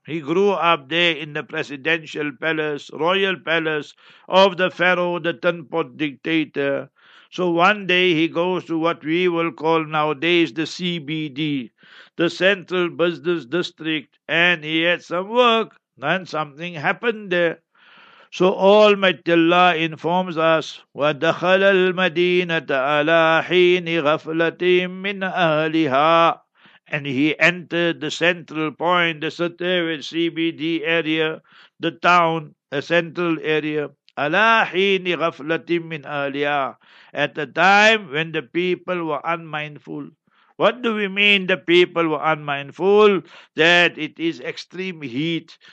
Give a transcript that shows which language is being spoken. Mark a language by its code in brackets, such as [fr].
[en] He grew up there in the presidential palace, royal palace of the Pharaoh, the Tenpot dictator. So one day he goes to what we will call nowadays the CBD, the Central Business District, and he had some work, and something happened there. So Almighty Allah informs us, [ar] وَدَخَلَ الْمَدِينَةَ عَلَىٰ حِينِ غَفْلَةٍ مِّنْ أَهْلِهَا. [en] And he entered the central point, the Satawid CBD area, the town, a central area, [ar] عَلَىٰ حِينِ غَفْلَةٍ مِّنْ أَهْلِهَا, [en] at the time when the people were unmindful. What do we mean the people were unmindful? That it is extreme heat.